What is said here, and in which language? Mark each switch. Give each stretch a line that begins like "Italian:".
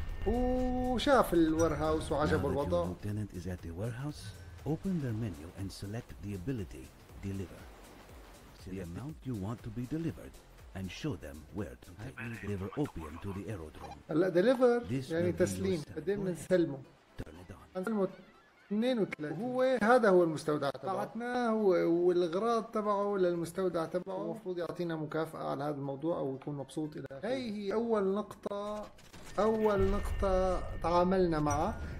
Arabic: وشاف الورهاوس وعجبه الوضع.
English: Now that your lieutenant is at the warehouse, open their menu and select the ability deliver. See the amount you want to be delivered and show them where to take you. Deliver opium to the aerodrome.
Arabic: هلا deliver يعني تسليم، بعدين بنسلمه.
English: Turn it on.
Arabic: بنسلمه 32، هو هذا هو المستودع تبعه. بعتناه والاغراض تبعه للمستودع تبعه، المفروض يعطينا مكافأة على هذا الموضوع او يكون مبسوط الى اخره. هي هي أول نقطة، أول نقطة تعاملنا معها.